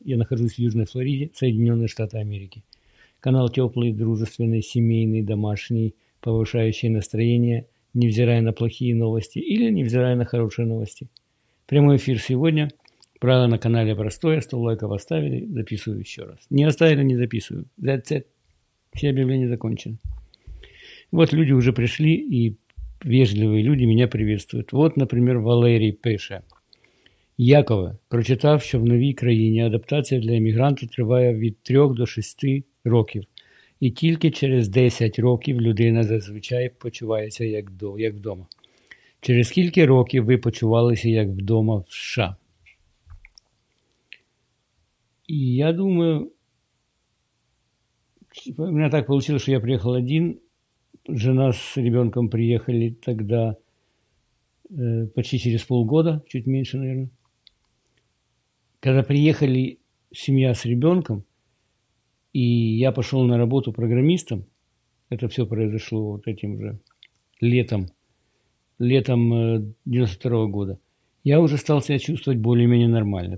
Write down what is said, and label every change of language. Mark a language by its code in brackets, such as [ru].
[ru] Я нахожусь в Южной Флориде, Соединенные Штаты Америки. Канал теплый, дружественный, семейный, домашний, повышающий настроение, невзирая на плохие новости или невзирая на хорошие новости. Прямой эфир сегодня. Правило на канале простое, 100 лайков оставили, записываю еще раз. Не оставили, не записываю. [en] That's it. [ru] Все объявления закончены. Вот люди уже пришли, и вежливые люди меня приветствуют. Вот, например, Валерий пише. [uk] Якова, прочитав, что в новій країні адаптація для емігранта триває від 3 до 6 років, і тільки через 10 років людина зазвичай почувається як вдома. Через скільки років ви почувалися як вдома в США? [ru] И я думаю, у меня так получилось, что я приехал один, жена с ребенком приехали тогда почти через полгода, чуть меньше, наверное. Когда приехали семья с ребенком, и я пошел на работу программистом, это все произошло вот этим же летом 92-го года, я уже стал себя чувствовать более-менее нормально.